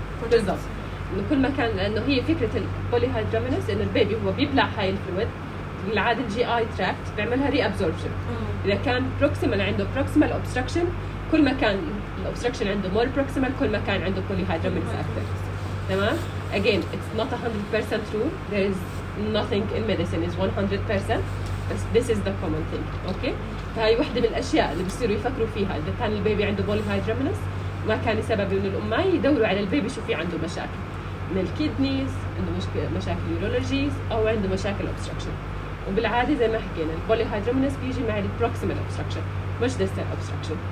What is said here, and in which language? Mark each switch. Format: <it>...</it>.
<ar>بالضبط. إنه كل ما كان، لأنه هي فكرة البوليهيدرومينس إنه البيبي هو بيبلع هاي الفلويد العادة الجي آي تراكت بيعملها ري أبزوربشن. إذا كان بروكسيمال عنده بروكسيمال أوبستركشن، كل ما كان الأوبستركشن عنده مور بروكسيمال كل ما كان عنده بوليهيدرومينس أكثر. تمام؟</ar> <en>Again it's not 100% true. There is nothing in medicine is 100%.</en> <ar>بس</ar> <en>this is the common thing.</en> <ar>أوكي؟ فهي واحدة من الأشياء اللي بيصيروا يفكروا فيها إذا كان البيبي عنده بوليهيدرومينس. ما كان سبب إنه الأم ماي يدوروا على البيبي شو في عنده مشاكل من الكيدنيز، عنده مشاكل يورولوجيز أو عنده مشاكل أوبستركشن. وبالعادة زي ما حكينا البولي هيدرومينس بيجي مع البروكسيمال أوبستركشن مش ديستال أوبستركشن.</ar>